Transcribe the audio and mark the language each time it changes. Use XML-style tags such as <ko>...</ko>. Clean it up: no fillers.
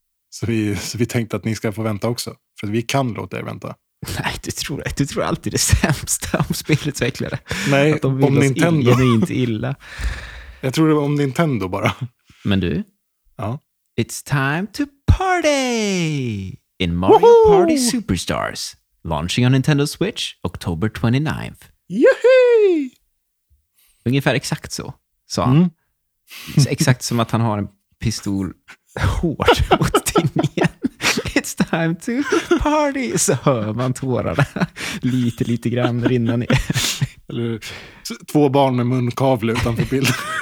<sv>Så vi tänkte att ni ska få vänta också. För att vi kan låta er vänta. Nej, du tror alltid det sämsta om spelutvecklare. Nej, att de vill om Nintendo. Det är inte illa. Jag tror det var om Nintendo bara. Men du? Ja.</sv> <en>It's time to party! In Mario Party Superstars, launching on Nintendo Switch October 29th. Yuhu!</en> <sv>Ungefär exakt så, sa han. Exakt som att han har en pistol hårt mot tinningen.</sv> <en>It's time to party!</en> <sv>Så hör man tårarna lite grann rinna ner. Eller två barn med munkavle utanför bilden.</sv>